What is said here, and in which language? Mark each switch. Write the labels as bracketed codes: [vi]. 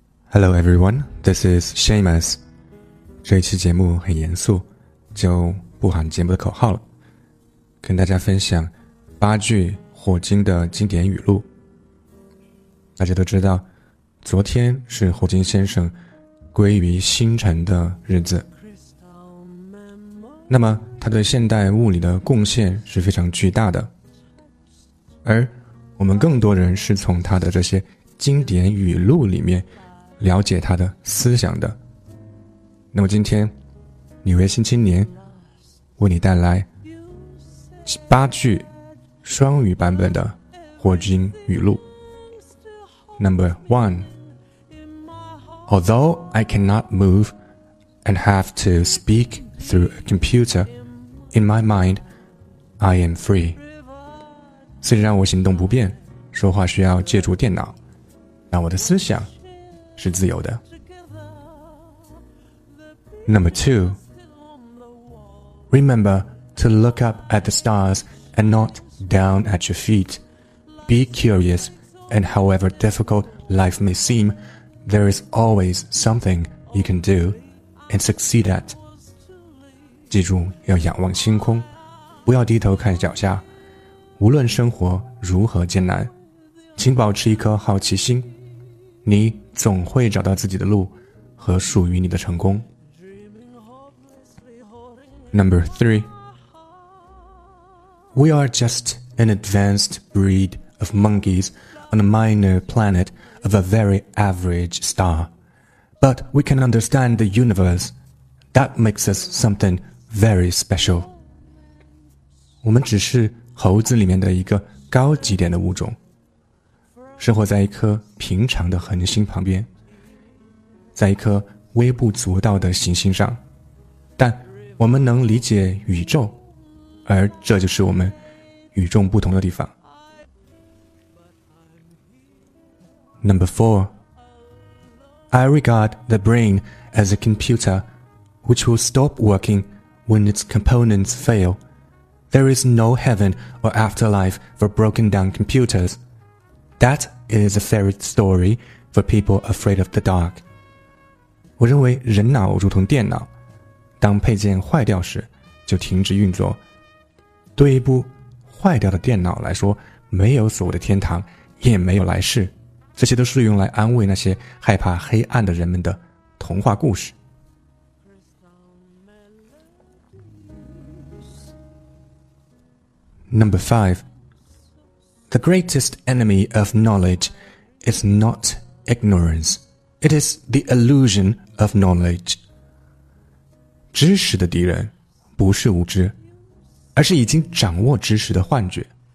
[en] Hello everyone, this is Seamus. [zh] 这一期节目很严肃，就不喊节目的口号了，跟大家分享八句霍金的经典语录。大家都知道，昨天是霍金先生归于星辰的日子。那么他对现代物理的贡献是非常巨大的，而我们更多人是从他的这些经典语录里面了解他的思想的。那么今天纽约新青年为你带来八句双语版本的霍金语录。 [en] Number one, Although I cannot move and have to speak through a computer, in my mind, I am free. [zh] 虽然我行动不便，说话需要借助电脑，但我的思想是自由的。 [en] Number two, Remember to look up at the stars and not down at your feet. Be curious, and however difficult life may seem, there is always something you can do and succeed at. [zh] 记住要仰望星空，不要低头看脚下。无论生活如何艰难，请保持一颗好奇心，你总会找到自己的路和属于你的成功。 [en] Number three, We are just an advanced breed of monkeys on a minor planet of a very average star. But we can understand the universe. That makes us something very special. [zh] 我们只是猴子里面的一个高级点的物种，生活在一颗平常的恒星旁边，在一颗微不足道的行星上，但我们能理解宇宙，而这就是我们与众不同的地方。 [en] Number four, I regard the brain as a computer which will stop working when its components fail. There is no heaven or afterlife for broken down computers. That is a fairy story for people afraid of the dark. [zh] 我认为人脑如同电脑，当配件坏掉时就停止运作。对一部坏掉的电脑来说，没有所谓的天堂，也没有来世。这些都是用来安慰那些害怕黑暗的人们的童话故事。 [en] Number five, The greatest enemy of knowledge is not ignorance, it is the illusion of knowledge. [zh] 知识的敌人不是无知，而是已经掌握知识的幻觉。